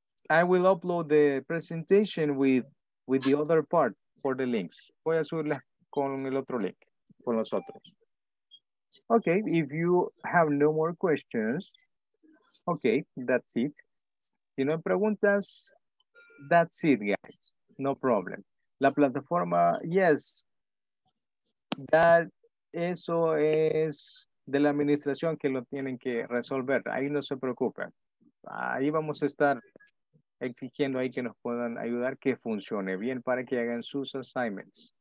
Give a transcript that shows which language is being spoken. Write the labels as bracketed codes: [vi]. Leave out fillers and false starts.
[en] I will upload the presentation with the other part for the links. [es] Voy a subirla con el otro link, con los otros. [en] Ok, if you have no more questions, ok, that's it. [es] Si no hay preguntas, [en] that's it, guys. No problem. [es] La plataforma, yes, eso es de la administración que lo tienen que resolver. Ahí no se preocupen. Ahí vamos a estar exigiendo ahí que nos puedan ayudar que funcione bien para que hagan sus assignments.